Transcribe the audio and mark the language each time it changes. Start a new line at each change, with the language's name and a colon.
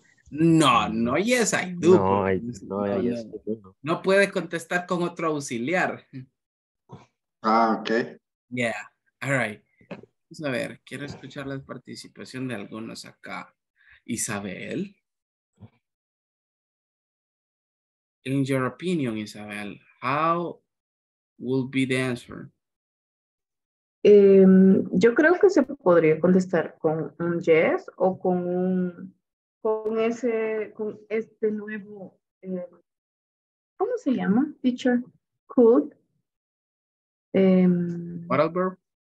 English: No, yes, I do. No, yes, I do.
Spanish: No puedes contestar con otro auxiliar. Ah, ok.
English: Yeah, all right.
Spanish: Vamos a ver, quiero escuchar la participación de algunos acá. Isabel.
English: In your opinion, Isabel, how will be the answer?
Spanish: Yo creo que se podría contestar con un yes o con un... con ese, con este nuevo, ¿cómo se llama?
English: Teacher, could. What else, verb?